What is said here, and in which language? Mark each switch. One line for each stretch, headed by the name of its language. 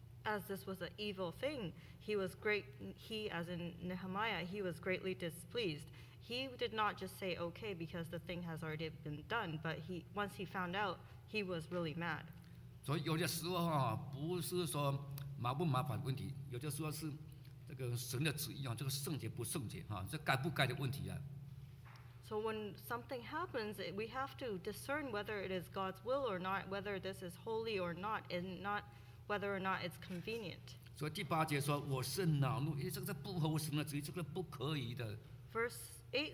English: As this was an evil thing, he was greatly displeased. He did not just say okay because the thing has already been done, but once he found out, he was really mad.
Chinese: So 有的时候不是说麻不麻烦的问题，有的时候是这个神的旨意，这个圣洁不圣洁，这该不该的问题啊。
English: So when something happens, we have to discern whether it is God's will or not, whether this is holy or not, and not whether or not it's convenient.
Chinese: 所以第八节说，我甚恼怒，因为这个是不合我神的旨意，这个不可以的。
English: Verse 8